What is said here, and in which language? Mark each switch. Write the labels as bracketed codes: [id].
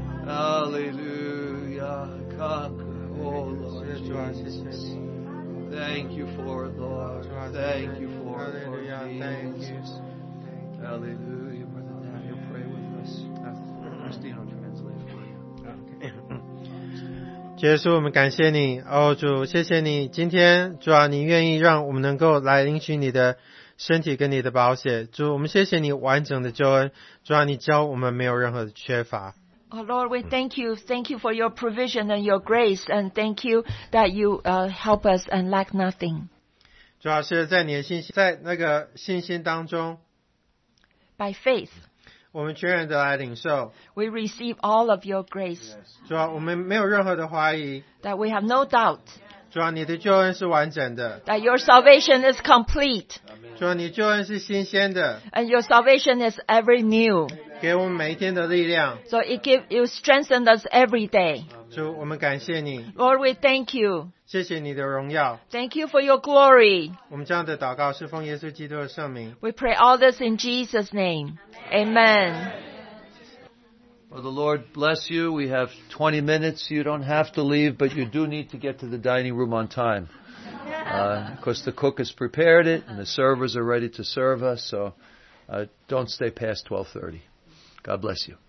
[en] Hallelujah, conquer, oh Lord Jesus. Thank you for it, Lord. Thank you for it, Lord Jesus. Hallelujah, brother Daniel, pray with us. Christine, I'll translate for you. Okay. [zh] 耶稣，我们感谢你，主，谢谢你今天，主，你愿意让我们能够来领取你的身体跟你的宝血，主，我们谢谢你完整的救恩，主，你教我们没有任何的缺乏。 [en] Lord, we thank you. Thank you for your provision and your grace, and thank you that you help us and lack nothing. [zh] 主，是在你的信心，在那个信心当中。 [en] by faith. [zh] 我们全然地来领受, [en] we receive all of your grace. Yes. [zh] 主啊,我们没有任何的怀疑, [en] that we have no doubt. [zh] 主啊,你的救恩是完整的, [en] that your salvation is complete. [zh] 主啊,你救恩是新鲜的, [en] and your salvation is every new. [zh] 给我们每一天的力量, [en] so it gives you strength in us every day. [zh] 主,我们感谢你, [en] Lord, we thank you. [zh] 谢谢你的荣耀, [en] thank you for your glory. [zh] 我们这样的祷告是奉耶稣基督的圣名, [en] we pray all this in Jesus' name. Amen. Well, the Lord bless you. We have 20 minutes. You don't have to leave, but you do need to get to the dining room on time. Because the cook has prepared it and the servers are ready to serve us. So don't stay past 12:30. God bless you.